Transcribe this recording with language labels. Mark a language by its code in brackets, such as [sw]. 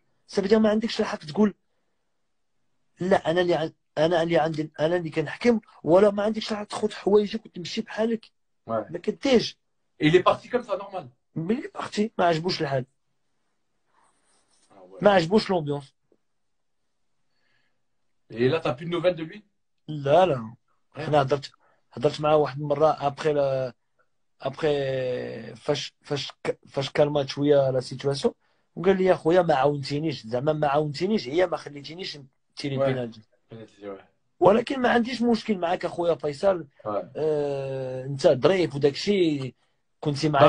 [ar] صافي ما عندكش الحق تقول لا انا اللي انا اللي عندي انا اللي كنحكم، ولا ما عندكش الحق تخوض حوايجك وتمشي بحالك ما كديش. [fr] إلي بارتي كوم سا نورمال، [ar] ملي بارتي ما عجبوش الحال ما عجبوش لومبيونس. [fr] Et là, tu n'as plus de nouvelles de lui? Là, là. Ouais. Je n'ai pas de nouvelles. Après, [ar] ابخي فاش كلمات شويه لا سيتواسيون وقال لي يا خويا ما عاونتينيش، زعما ما عاونتينيش هي ما خليتينيش تيري ouais بينالتي، بنتي ouais ولكن ما عنديش مشكل معاك اخويا فيصل. ouais انت ظريف وداكشي كنتي معايا